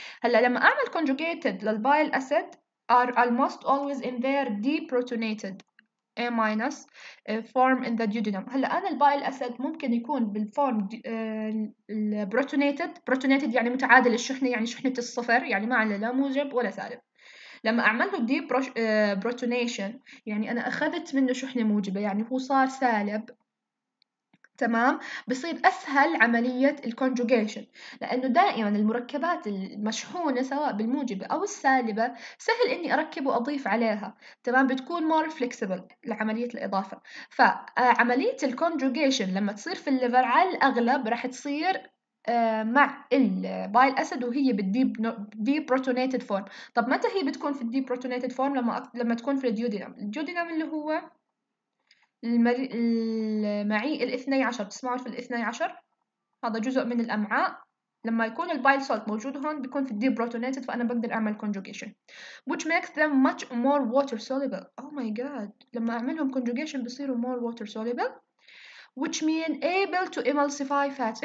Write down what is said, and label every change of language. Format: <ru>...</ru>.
<ar>هلا لما اعمل</ar> <en>conjugated</en> <ar>للبايل اسيد</ar> <en>are almost always in their deprotonated A- form in the duodenum.</en> <ar>هلا انا البايل اسيد ممكن يكون بالفورم البروتونيتد، بروتونيتد يعني متعادل الشحنه، يعني شحنه الصفر، يعني ما عنده لا موجب ولا سالب. لما اعمل له دي بروتونيشن يعني انا اخذت منه شحنه موجبه، يعني هو صار سالب تمام، بصير اسهل عمليه الكونجوجيشن، لانه دائما المركبات المشحونه سواء بالموجبه او السالبه سهل اني اركب واضيف عليها تمام، بتكون</ar> <en>more flexible</en> <ar>لعمليه الاضافه. فعمليه الكونجوجيشن لما تصير في الليفر على الاغلب راح تصير مع البايل اسيد وهي بالدي بروتونيتد فورم. طب متى هي بتكون في الدي بروتونيتد فورم؟ لما تكون في الديودينام. الديودينام اللي هو المعيء الاثني عشر، تسمعوا في الاثني عشر هذا جزء من الامعاء، لما يكون البايل سولت موجود هون بيكون في الدي بروتونيتد، فانا بقدر اعمل كونجوجيشن</ar> <en>which makes them much more water soluble. oh my god،</en> <ar>لما اعملهم كونجوجيشن بصيروا</ar> <en>more water soluble which mean able to emulsify fats.</en>